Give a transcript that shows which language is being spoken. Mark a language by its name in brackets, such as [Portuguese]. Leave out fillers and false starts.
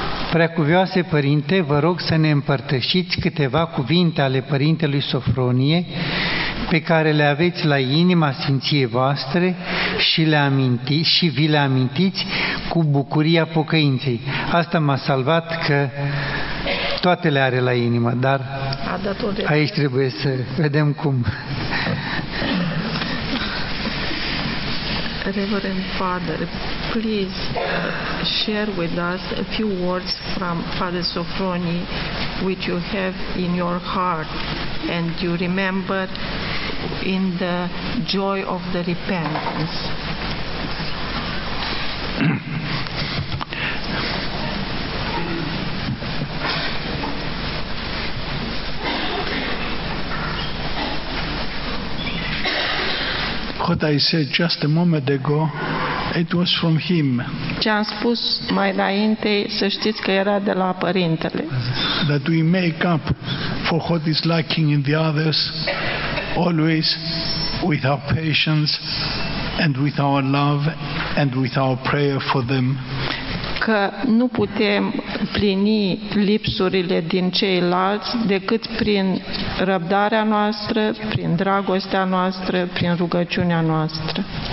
[Romanian] Preacuvioase Părinte, vă rog să ne împărtășiți câteva cuvinte ale Părintelui Sofronie pe care le aveți la inima Sfinției voastre și le amintiți și vi le amintiți cu bucuria pocăinței. Asta m-a salvat că toate le are la inimă, dar aici trebuie să vedem cum. [English] Reverend Father, please share with us a few words from Father Sofronie which you have in your heart and you remember in the joy of the repentance. What I said just a moment ago, it was from him. [Romanian] Ce am spus mai înainte, să știți că era de la Părintele. [English] That we make up for what is lacking in the others, always with our patience and with our love and with our prayer for them. [Romanian] Că nu putem plini lipsurile din ceilalți decât prin răbdarea noastră, prin dragostea noastră, prin rugăciunea noastră.